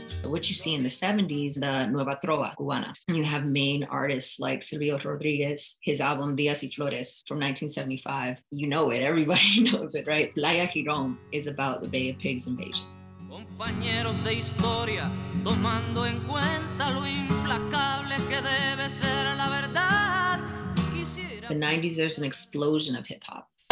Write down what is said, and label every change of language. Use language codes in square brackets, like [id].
[en] What you see in the 70s, the Nueva Trova Cubana. You have main artists like Silvio Rodriguez, his album Días y Flores from 1975. You know it, everybody knows it, right? Playa Girón is about the Bay of Pigs invasion. [es] Compañeros de historia, tomando en cuenta lo implacable que debe ser la verdad. [en] The 90s, there's an explosion of hip-hop.